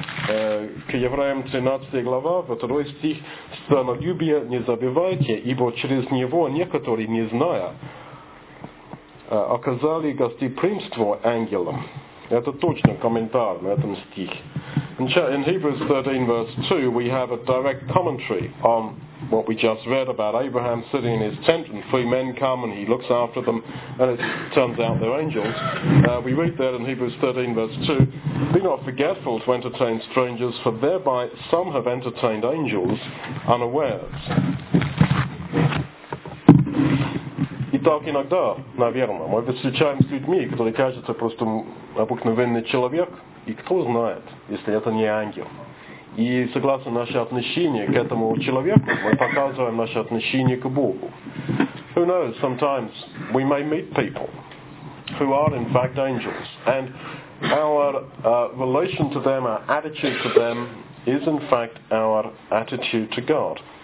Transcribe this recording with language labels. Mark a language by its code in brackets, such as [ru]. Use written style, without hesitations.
[ru] К евреям 13 глава, 2 стих, «Странолюбие не забывайте, ибо через него некоторые, не зная, оказали гостеприимство ангелам». Это точно комментарий на этом стихе. [en] In Hebrews 13, verse 2, we have a direct commentary on what we just read about Abraham sitting in his tent and three men come and he looks after them and it turns out they're angels. We read that in Hebrews 13, verse 2. Be not forgetful to entertain strangers, for thereby some have entertained angels unawares. [ru] Итак, иногда, наверное, мы встречаемся с людьми, которые кажутся просто обыкновенный человек, и кто знает, если это не ангел. И согласно нашему отношению к этому человеку, мы показываем наше отношение к Богу. [en] Who knows, sometimes we may meet people who are in fact angels, and our relation to them, our attitude to them, is in fact our attitude to God.